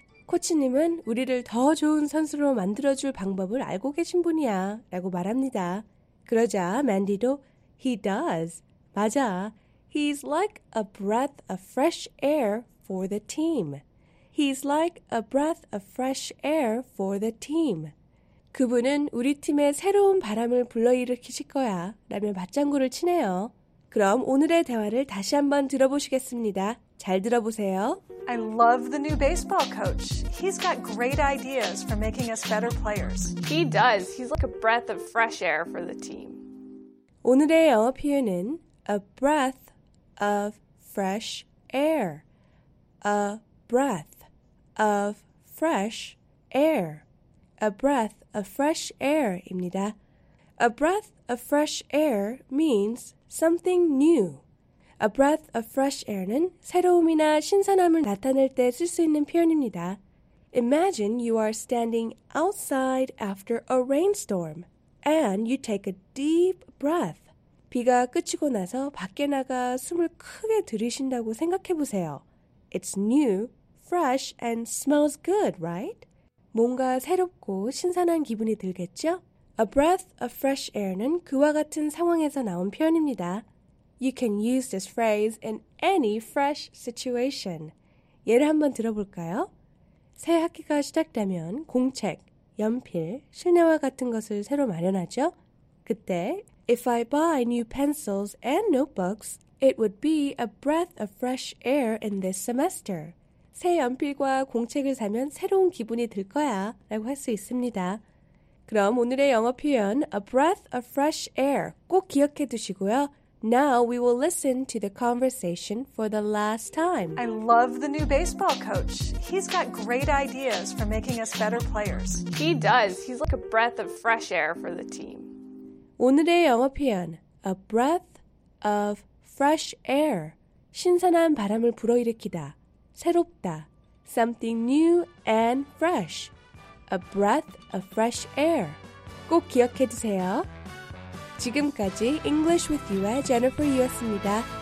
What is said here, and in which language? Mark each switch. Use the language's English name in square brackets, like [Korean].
[Korean] 코치님은 우리를 더 좋은 선수로 만들어줄 방법을 알고 계신 분이야 라고 말합니다. 그러자 Mandy도 [English] He does. [Korean] 맞아. [English] He's like a breath of fresh air for the team. He's like a breath of fresh air for the team. [Korean] 그분은 우리 팀에 새로운 바람을 불러일으키실 거야 라며 맞장구를 치네요. 그럼 오늘의 대화를 다시 한번 들어보시겠습니다. 잘 들어보세요. [English] I love the new baseball coach. He's got great ideas for making us better players. He does. He's like a breath of fresh air for the team. [Korean] 오늘의 영어 표현은 [English] a breath of fresh air. A breath of fresh air. A breath of fresh air [Korean] 입니다. [English] A breath of fresh air means something new. A breath of fresh air [Korean] 는 새로움이나 신선함을 나타낼 때 쓸 수 있는 표현입니다. [English] Imagine you are standing outside after a rainstorm and you take a deep breath. [Korean] 비가 그치고 나서 밖에 나가 숨을 크게 들이신다고 생각해 보세요. [English] It's new, fresh, and smells good, right? [Korean] 뭔가 새롭고 신선한 기분이 들겠죠? [English] A breath of fresh air [Korean] 는 그와 같은 상황에서 나온 표현입니다. [English] You can use this phrase in any fresh situation. [Korean] 예를 한번 들어볼까요? 새 학기가 시작되면 공책, 연필, 실내화 같은 것을 새로 마련하죠? 그때, [English] If I buy new pencils and notebooks, it would be a breath of fresh air in this semester. [Korean] 새 연필과 공책을 사면 새로운 기분이 들 거야 라고 할 수 있습니다. 그럼 오늘의 영어 표현, [English] a breath of fresh air [Korean] 꼭 기억해 두시고요. [English] Now we will listen to the conversation for the last time. I love the new baseball coach. He's got great ideas for making us better players. He does. He's like a breath of fresh air for the team. [Korean] 오늘의 영어 표현, [English] a breath of fresh air. [Korean] 신선한 바람을 불어일으키다. 새롭다. [English] Something new and fresh. A breath of fresh air. [Korean] 꼭 기억해 두세요. 지금까지 English with You의 Jennifer Yu였습니다.